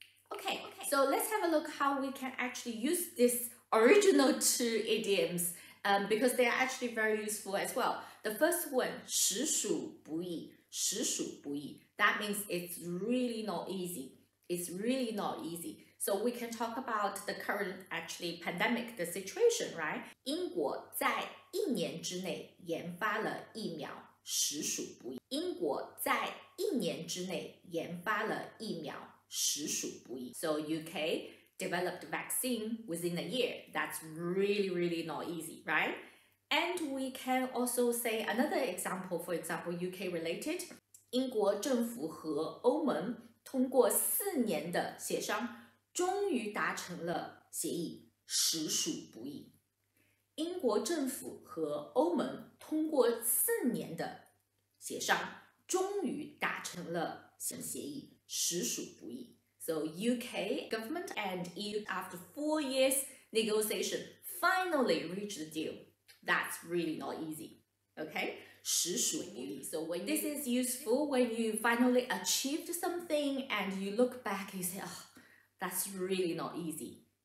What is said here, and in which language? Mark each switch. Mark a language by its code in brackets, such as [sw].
[en] Okay, so let's have a look how we can actually use this original two idioms, because they are actually very useful as well. The first one, 实属不易,实属不易, that means it's really not easy. It's really not easy. So we can talk about the current actually pandemic, the situation, right? [zh] 英国在一年之内研发了疫苗,实属不易。英国在一年之内研发了疫苗。 [en] 实属不易。So UK developed vaccine within a year. That's really, really not easy, right? And we can also say another example, for example, UK related. [zh] 英国政府和欧盟通过四年的协商，终于达成了协议，实属不易。英国政府和欧盟通过四年的协商，终于达成了协议，实属不易。 [en] So UK government and EU after 4 years negotiation finally reached the deal. That's really not easy. Okay? 实属不易。 So when this is useful, when you finally achieved something and you look back, you say, oh, that's really not easy.